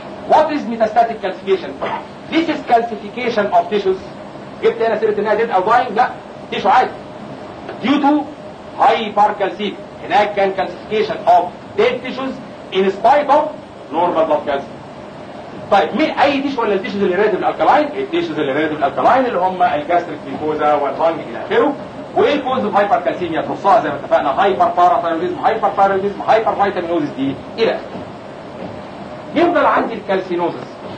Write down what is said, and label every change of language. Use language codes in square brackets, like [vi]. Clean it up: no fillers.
[en] What is metastatic calcification? This is calcification of tissues. [ar] جبت هنا سيره انها ديد او داينج؟ لا تيشو عادي. [en] Due to hypercalcemia. [ar] هناك كان [en] calcification of dead tissues in spite of normal blood calcium. [ar] طيب مين اي تيشو ولا التيشوز اللي ريلاتيف الالكالاين؟ التيشوز اللي ريلاتيف الالكالاين اللي هم الجاستريك ميكوزا واللانج الى اخره. وايه الكوز اوف hypercalcemia؟ ترصها زي ما اتفقنا هايبر باراثايروديزم، هايبر ثايروديزم، هايبر فيتامينوزيس دي الى اخره. يفضل عندي الكالسينوزيس.